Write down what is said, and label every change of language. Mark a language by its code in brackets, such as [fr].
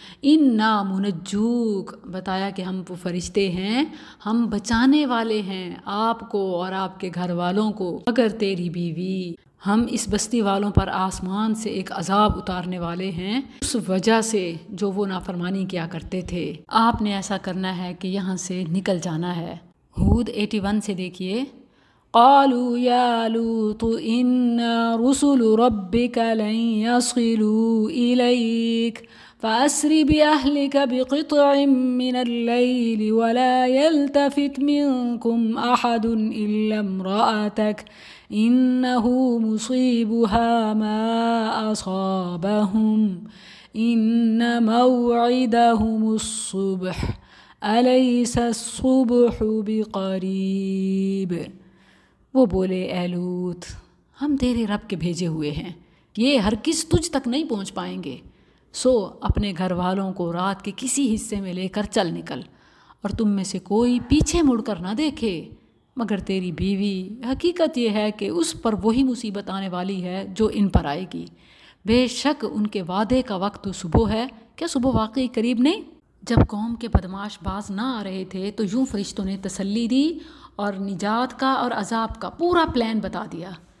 [ar] انا منجوک، [ur] بتایا کہ ہم وہ فرشتے ہیں، ہم بچانے والے ہیں آپ کو اور آپ کے گھر والوں کو، مگر تیری بیوی، ہم اس بستی والوں پر آسمان سے ایک عذاب اتارنے والے ہیں اس وجہ سے جو وہ نافرمانی کیا کرتے تھے، آپ نے ایسا کرنا ہے کہ یہاں سے نکل جانا ہے. ہود 81 سے دیکھیے، [ar] قالوا يا لوط إنا رسل ربك لن يصلوا إليك فأسر بأهلك بقطع من الليل ولا يلتفت منكم أحد إلا امرأتك إنه مصيبها ما أصابهم إن موعدهم الصبح أليس الصبح بقريب. [ur] وہ بولے، اے لوط، ہم تیرے رب کے بھیجے ہوئے ہیں، یہ ہرگز تجھ تک نہیں پہنچ پائیں گے، سو اپنے گھر والوں کو رات کے کسی حصے میں لے کر چل نکل، اور تم میں سے کوئی پیچھے مڑ کر نہ دیکھے، مگر تیری بیوی، حقیقت یہ ہے کہ اس پر وہی مصیبت آنے والی ہے جو ان پر آئے گی، بے شک ان کے وعدے کا وقت تو صبح ہے، کیا صبح واقعی قریب نہیں؟ جب قوم کے بدماش باز نہ آ رہے تھے تو یوں فرشتوں نے تسلی دی اور نجات کا اور عذاب کا پورا پلان بتا دیا.